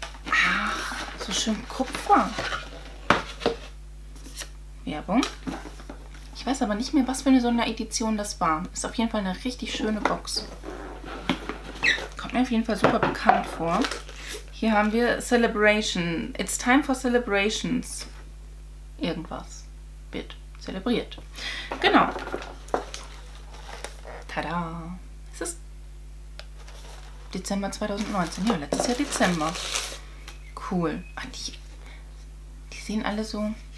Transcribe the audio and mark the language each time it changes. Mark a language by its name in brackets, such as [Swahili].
[German] Ach, so schön Kupfer. Werbung. Ich weiß aber nicht mehr, was für eine Sonderedition das war. Ist auf jeden Fall eine richtig schöne Box. Kommt mir auf jeden Fall super bekannt vor. Hier haben wir Celebration. [English] It's time for celebrations. [German] Irgendwas wird zelebriert. Genau. Tada. Es ist Dezember 2019. Ja, letztes Jahr Dezember. Cool. Ach, die sehen alle so...